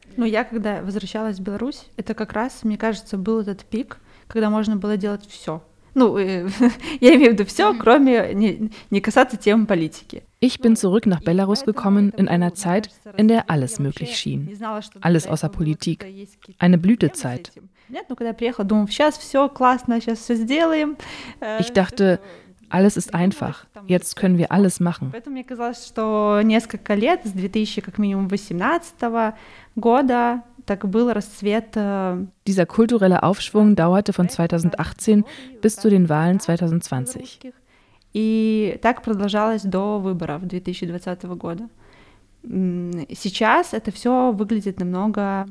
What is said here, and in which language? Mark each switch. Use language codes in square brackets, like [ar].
[ru] Но я, когда возвращалась в Беларусь, это как раз, мне кажется, был этот пик, когда можно было делать все. Ну, я имею в виду все, кроме не касаться темы политики. [de] Ich bin zurück nach Belarus gekommen in einer Zeit, in der alles möglich schien. Alles außer Politik. Eine Blütezeit. Ich dachte, alles ist einfach. Jetzt können wir alles machen. [ru] Поэтому мне казалось, что несколько лет, с 2018 года, так был расцвет. [de] Dieser kulturelle Aufschwung dauerte von 2018 bis zu den Wahlen 2020. [ru] И так продолжалось до выборов 2020 года. Сейчас это все выглядит намного...